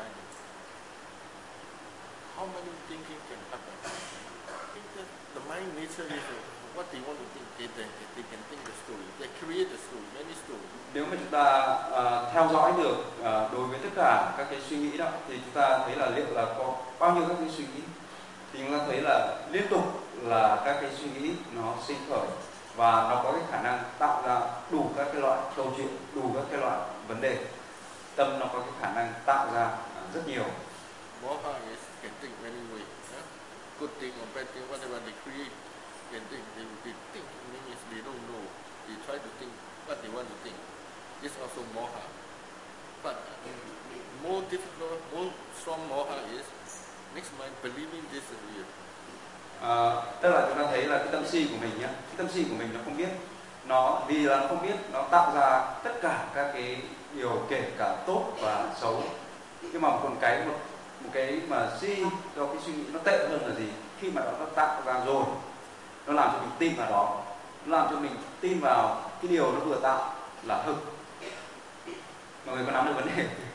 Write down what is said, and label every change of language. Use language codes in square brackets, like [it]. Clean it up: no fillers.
[en] How many thinking can happen? Think that the mind nature is what they want to think. They can think the story. They create the story, many stories. [vi] Nếu mà chúng ta theo dõi được đối với tất cả các cái suy nghĩ đó, thì chúng ta thấy là liệu là có bao nhiêu các cái suy nghĩ, thì chúng ta thấy là liên tục là các cái suy nghĩ nó sinh khởi và nó có cái khả năng tạo ra đủ các cái loại câu chuyện, đủ các cái loại vấn đề. Tâm nó có cái khả năng tạo ra rất nhiều. [en] Good thing or bad thing, whatever they create, can think. They think means they don't know. They try to think what they want to think. It's also moha. But more difficult, more strong moha is next mind believing this is real. [vi] Tức là chúng ta thấy là cái tâm si của mình nhá, cái tâm si của mình nó không biết, nó vì là nó không biết, nó tạo ra tất cả các cái điều kể cả tốt và xấu, nhưng mà một cái mà si cho cái suy nghĩ nó tệ hơn là gì, khi mà nó tạo ra rồi, nó làm cho mình tin vào đó, nó làm cho mình tin vào cái điều nó vừa tạo là thực. Mọi người có nắm được vấn đề?